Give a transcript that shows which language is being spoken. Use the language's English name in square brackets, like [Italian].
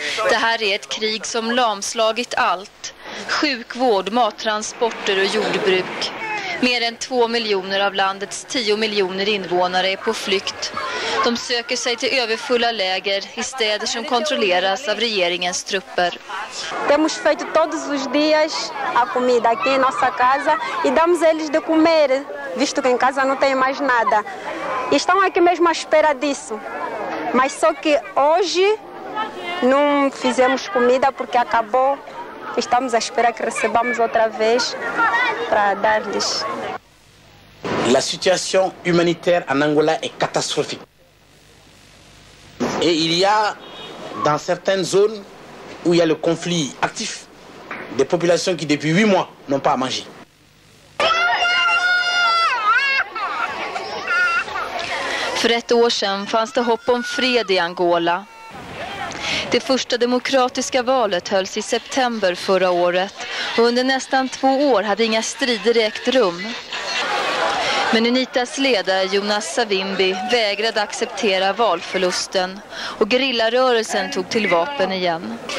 [Swedish] Det här är ett krig som lamslagit allt: sjukvård, mattransporter och jordbruk. Mer än 2 miljoner av landets 10 miljoner invånare är på flykt. De söker sig till överfulla läger i städer som kontrolleras av regeringens trupper. [Portuguese] Temos feito todos os dias a comida aqui em nossa casa e damos eles de comer, visto que em casa não tem mais nada. Estão aqui mesmo à espera disso. Mas só que hoje não fizemos comida porque acabou. Estamos à espera que recebamos outra vez para dar-lhes. [French] La situation humanitaire en Angola est catastrophique. Et il y a dans certaines zones où il y a le conflit actif des populations qui depuis 8 mois n'ont pas à manger. [Swedish] För ett år sedan fanns det hopp om fred i Angola. Det första demokratiska valet hölls i september förra året och under nästan 2 år hade inga strider ägt rum. Men UNITAs ledare Jonas Savimbi vägrade acceptera valförlusten och gerillarörelsen tog till vapen igen.